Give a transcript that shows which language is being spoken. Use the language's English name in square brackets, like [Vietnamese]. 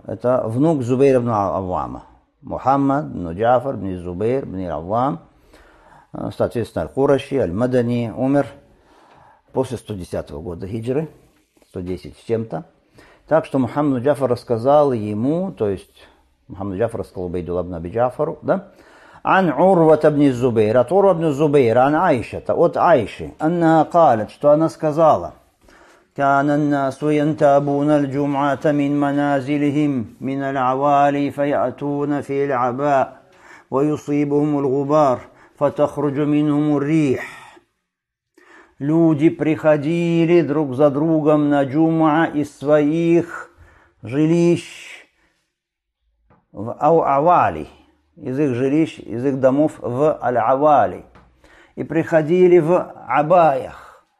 [Russian] Это внук Зубейр ибн Аввама. Мухаммад ибн Джафар ибн Зубейр ибн Аввам, соответственно, Аль-Хураши, Аль-Мадани, умер после 110 года хиджры, 110 с чем-то. Так что Мухаммад ибн Джафар рассказал ему, то есть Мухаммад Джафар рассказал Убейдулла ибн Аби Джафару, да? «Ан Урвата ибн Зубейр, от Урва ибн Зубейра, ан Айшата, от Айши, [Arabic] анна калят, [Russian] что она сказала». [Arabic] كان الناس ينتابون الجمعة من منازلهم من العوالي فيأتون في العباء ويصيبهم الغبار فتخرج منهم الريح. [Russian] Люди приходили друг за другом на джума из своих жилищ в авали, из их жилищ, из их домов в аль-авали, и приходили в абаях.